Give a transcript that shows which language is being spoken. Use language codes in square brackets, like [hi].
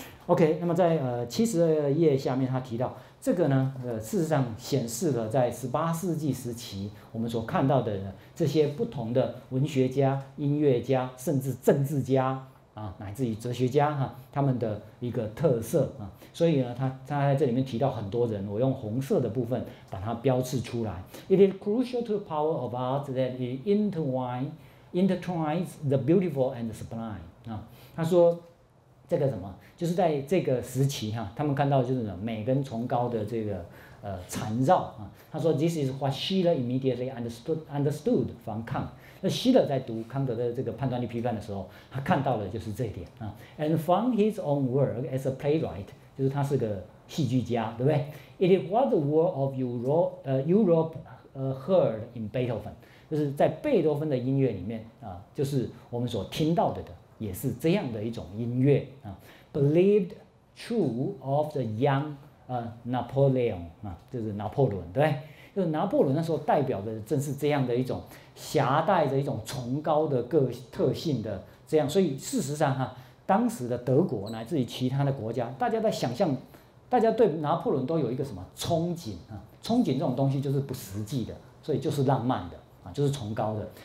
[zh] OK， 那么在72页下面，他提到这个呢，事实上显示了在18世纪时期我们所看到的这些不同的文学家、音乐家，甚至政治家啊，乃至于哲学家哈、啊，他们的一个特色啊。所以呢，他在这里面提到很多人，我用红色的部分把它标示出来。 [en] It is crucial to the power of art that it intertwines the beautiful and the sublime 啊。 [zh] 他说这个什么，就是在这个时期哈、啊，他们看到就是美跟崇高的这个缠绕啊。他说 [en] This is what Schiller immediately understood from Kant。 [zh] 那希勒在读康德的这个判断力批判的时候，他看到的就是这一点啊。 [en] And from his own work as a playwright， [zh] 就是他是个戏剧家，对不对 ？ [en] It is what the world of Europe heard in Beethoven， [zh] 就是在贝多芬的音乐里面啊，就是我们所听到的也是这样的一种音乐啊。 [en] Believed true of the young Napoleon 啊， [zh] 就是拿破仑，对。就是拿破仑那时候代表的正是这样的一种狭带着一种崇高的个特性的这样，所以事实上哈、啊，当时的德国乃至于其他的国家，大家在想象，大家对拿破仑都有一个什么憧憬啊？憧憬这种东西就是不实际的，所以就是浪漫的啊，就是崇高的。